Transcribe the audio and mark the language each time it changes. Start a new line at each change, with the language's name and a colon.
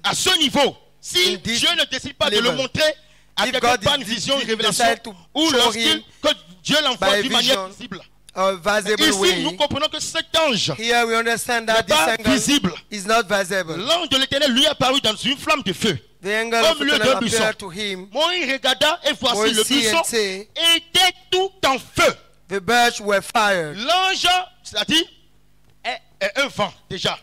French: à ce niveau, si Dieu ne décide pas
English: level.
French: De le montrer
English: if God is giving himself to him by vision, visible
French: way. Ici, cet ange
English: here we understand that this angle
French: visible.
English: Is not visible.
French: L'ange de l'Éternel lui apparut dans une flamme de feu.
English: The angel of the Lord appeared to him.
French: Moïse regarda et voici le buisson était tout en feu.
English: The birds were fired.
French: L'ange, c'est-à-dire, est un vent déjà.